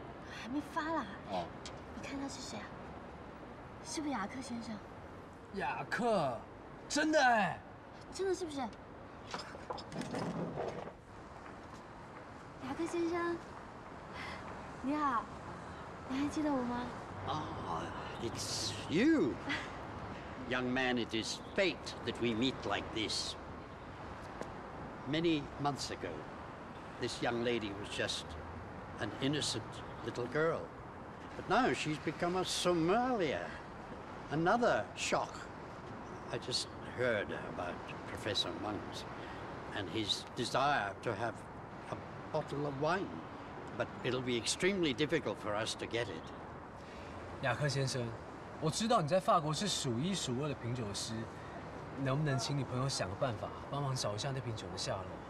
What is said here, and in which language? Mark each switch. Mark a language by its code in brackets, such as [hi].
[zh] 还没发啦。哦。你看他是谁啊？是不是雅克先生？雅克。真的哎，真的是不是？雅克先生，你好，你还记得我吗？ [en] 啊 ，It's you, young man. It is fate that we meet like this. Many months ago, this young lady was just an innocent little girl, but now she's become a sommelier. Another shock. I just heard about Professor Monks and his desire to have a bottle of wine, but it'll be extremely difficult for us to get it. [zh] 雅克先生，我知道你在法国是数一数二的品酒师，能不能请你朋友想个办法，帮忙找一下那瓶酒的下落？